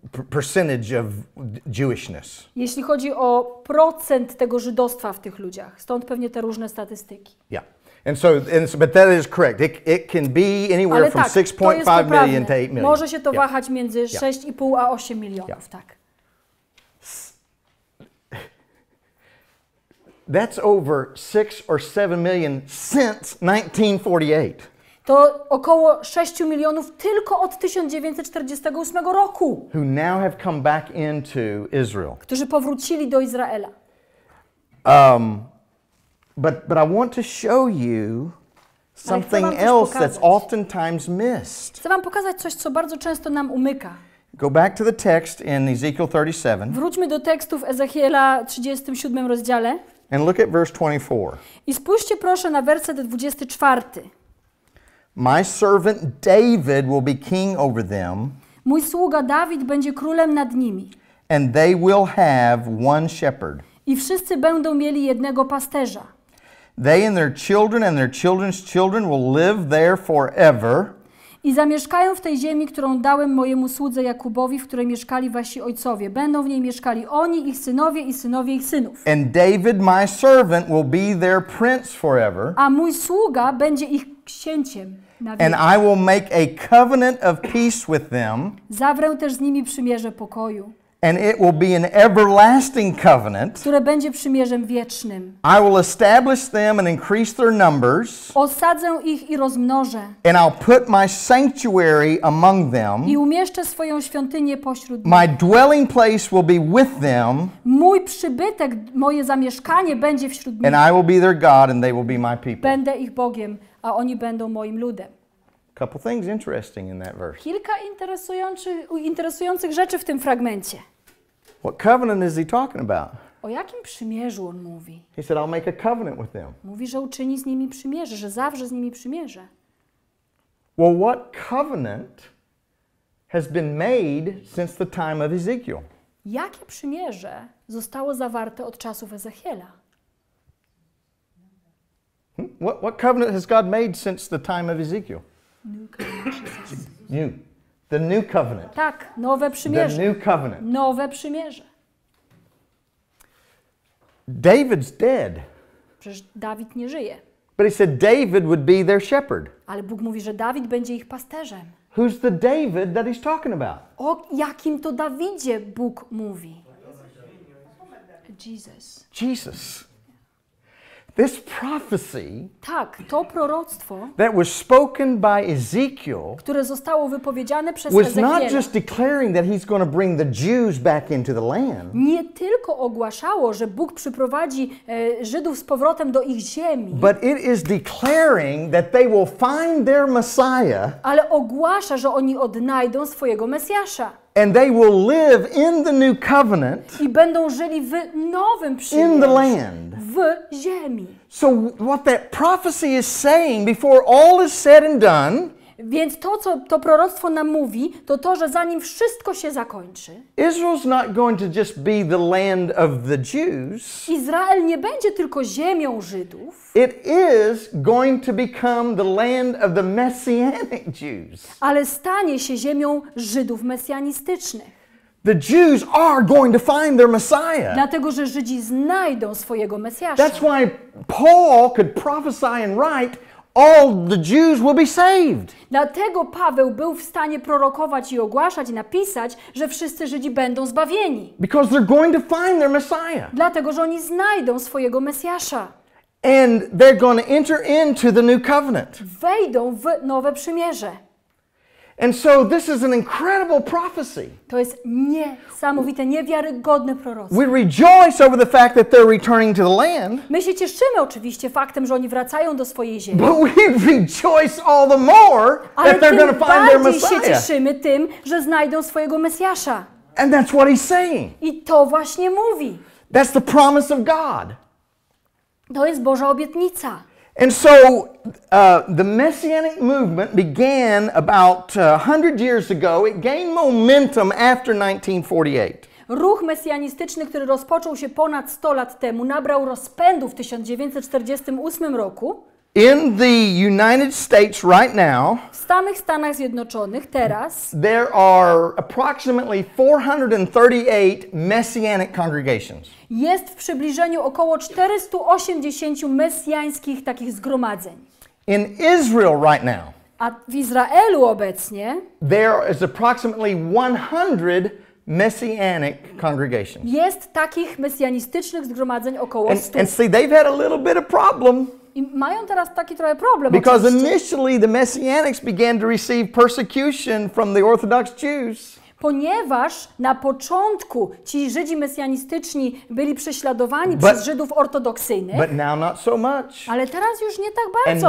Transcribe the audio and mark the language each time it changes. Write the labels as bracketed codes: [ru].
[en] Percentage of Jewishness. [pl] Jeśli chodzi o procent tego żydostwa w tych ludziach, stąd pewnie te różne statystyki. [en] Yeah, and so, but that is correct. It can be anywhere [pl] tak, [en] from 6.5 million to 8 million. [pl] Może się to [en] yeah. [pl] wahać między yeah. 6,5 a 8 milionów, yeah. tak. [en] That's over 6 or 7 million since 1948. [pl] To około 6 milionów tylko od 1948 roku. [en] Who now have come back into Israel. [pl] Którzy powrócili do Izraela. [en] But I want to show you something else [pl] pokazać. [en] That's oftentimes missed. [pl] Chcę wam pokazać coś, co bardzo często nam umyka. [en] Go back to the text in Ezekiel 37. [pl] Wróćmy do tekstu w Ezechiela 37 rozdziale. [en] And look at verse 24. [pl] I spójrzcie proszę na werset 24. [en] My servant David will be king over them. [pl] Mój sługa Dawid będzie królem nad nimi. [en] And they will have one shepherd. [pl] I wszyscy będą mieli jednego pasterza. [en] They and their children and their children's children will live there forever. [pl] I zamieszkają w tej ziemi, którą dałem mojemu słudze Jakubowi, w której mieszkali wasi ojcowie. Będą w niej mieszkali oni, ich synowie i synowie ich synów. [en] And David, my servant, will be their prince forever. [pl] A mój sługa będzie ich księciem na wieki. [en] And I will make a covenant of peace with them. [pl] Zawrę też z nimi przymierze pokoju. [en] And it will be an everlasting covenant. [pl] Które będzie przymierzem wiecznym. [en] I will establish them and increase their numbers. [pl] Osadzę ich i rozmnożę. [en] And I'll put my sanctuary among them. [pl] I umieszczę swoją świątynię pośród nich. [en] My dwelling place will be with them. [pl] Mój przybytek, moje zamieszkanie będzie wśród nich. [en] And I will be their God and they will be my people. [pl] Będę ich Bogiem, a oni będą moim ludem. [en] Couple things interesting in that verse. [pl] Kilka interesujących rzeczy w tym fragmencie. [en] What covenant is he talking about? [pl] O jakim przymierzu on mówi? [en] He said, I'll make a covenant with them. [pl] Mówi, że uczyni z nimi przymierze, że zawrze z nimi przymierze. [en] Well, what covenant has been made since the time of Ezekiel? [pl] Jakie przymierze zostało zawarte od czasów Ezechiela? [en] What covenant has God made since the time of Ezekiel? New. The new covenant. [pl] Tak, nowe przymierze. [en] The new covenant. [pl] Nowe przymierze. [en] David's dead. [pl] Przecież Dawid nie żyje. [en] But he said David would be their shepherd. [pl] Ale Bóg mówi, że Dawid będzie ich pasterzem. [en] Who's the David that he's talking about? [pl] O jakim to Dawidzie Bóg mówi? [en] Jesus. This prophecy, [pl] tak, to proroctwo, [en] that was spoken by Ezekiel, [pl] które zostało wypowiedziane przez [en] Ezechiela, was not just declaring that he's going to bring the Jews back into the land. [pl] Nie tylko ogłaszało, że Bóg przyprowadzi Żydów z powrotem do ich ziemi, [en] but it is declaring that they will find their Messiah. [pl] Ale ogłasza, że oni odnajdą swojego Mesjasza. [en] And they will live in the new covenant. [pl] I będą żyli w nowym przymierzu. [en] In the land. [pl] W ziemi. [en] So what that prophecy is saying before all is said and done. [pl] Więc to, co to proroctwo nam mówi, to to, że zanim wszystko się zakończy. [en] Israel's not going to just be the land of the Jews. [pl] Izrael nie będzie tylko ziemią Żydów. [en] It is going to become the land of the messianic Jews. [pl] Ale stanie się ziemią Żydów mesjanistycznych. [en] The Jews are going to find their Messiah. [pl] Dlatego, że Żydzi znajdą swojego Mesjasza. [en] That's why Paul could prophesy and write, all the Jews will be saved. [pl] Dlatego Paweł był w stanie prorokować i ogłaszać, napisać, że wszyscy Żydzi będą zbawieni. [en] Because they're going to find their Messiah. [pl] Dlatego, że oni znajdą swojego Mesjasza. [en] And they're going to enter into the new covenant. [pl] Wejdą w nowe przymierze. [en] And so this is an incredible prophecy. [pl] To jest niesamowite, niewiarygodne proroctwo. [en] We rejoice over the fact that they're returning to the land. [pl] My się cieszymy oczywiście faktem, że oni wracają do swojej ziemi. [en] But we rejoice all the more that they're going to find their Messiah. [pl] Ale się cieszymy tym, że znajdą swojego Mesjasza. [en] And that's what he's saying. [pl] I to właśnie mówi. [en] That's the promise of God. [pl] To jest Boża obietnica. [en] And so the messianic movement began about 100 years ago. It gained momentum after 1948. [pl] Ruch mesjanistyczny, który rozpoczął się ponad 100 lat temu, nabrał rozpędu w 1948 roku. [en] In the United States right now, [pl] w samych Stanach Zjednoczonych teraz, [en] there are approximately 438 messianic congregations. [pl] Jest w przybliżeniu około 480 mesjańskich takich zgromadzeń. [en] In Israel right now, [pl] a w Izraelu obecnie, [en] there is approximately 100 messianic congregations. [pl] Jest takich mesjanistycznych zgromadzeń około 100. [en] And see, they've had a little bit of problem. [pl] I mają teraz taki trochę problem. [en] Because [pl] oczywiście. [en] Initially the Messianics began to receive persecution from the Orthodox Jews. [pl] Ponieważ na początku ci Żydzi mesjanistyczni byli prześladowani przez Żydów ortodoksyjnych. [en] But now not so much. Ale teraz już nie tak bardzo.